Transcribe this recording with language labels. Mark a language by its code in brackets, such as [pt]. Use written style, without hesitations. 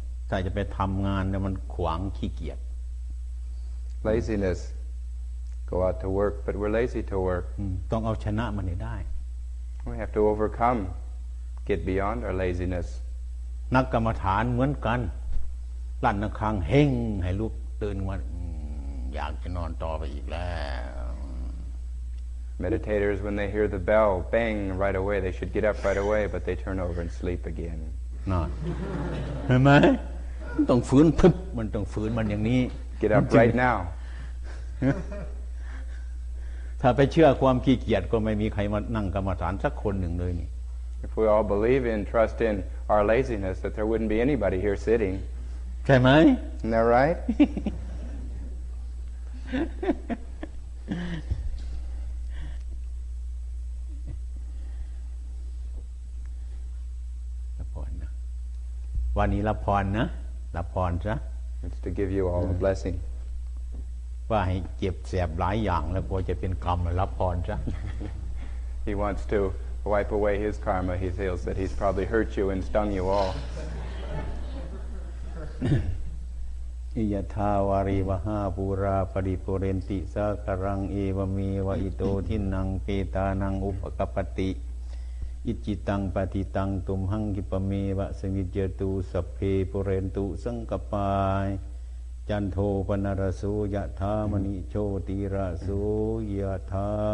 [th] ถ้าจะไปทำงานเนี่ยมันขวางขี้เกียจ [en] laziness go out to work but we're lazy to work [th] ต้องเอาชนะมันให้ได้ [en] we have to overcome get beyond our laziness [th] นักกรรมฐานเหมือนกันลั่นระฆังเฮงให้ลุกตื่นมาอยากจะนอนต่อไปอีกแล้ว [en] meditators when they hear the bell bang right away they should get up right away but they turn over and sleep again [th] นอนเห็นไหมมันต้องฝืนพึบมันต้องฝืนมันอย่างนี้ [en] Get up right now [th] ถ้าไปเชื่อความขี้เกียจก็ไม่มีใครมานั่งกรรมฐานสักคนหนึ่งเลยนี่ [en] If we all believe in trust in our laziness that there wouldn't be anybody here sitting [th] ใช่ไหม [en] Isn't that right [th] วันนี้รับพรนะรับพรซะ [en] It's to give you all a blessing [th] ว่าให้เจ็บแสบหลายอย่างแล้วกลัวจะเป็นกรรมรับพรซะ [en] He wants to wipe away his karma he feels that he's probably hurt you and stung you all [pi] อิยทาวาริวหาปูราปริปุเรนติสักรังเอวมีวะอิโตทินังเปตานังอุปกปติอิจิตังปฏิตังตุมหังกิปเมวะสังวิจตุสัพเพปุเรนตุสังกปายจันโทปนรสุยะธามณิโชติรสุยะธา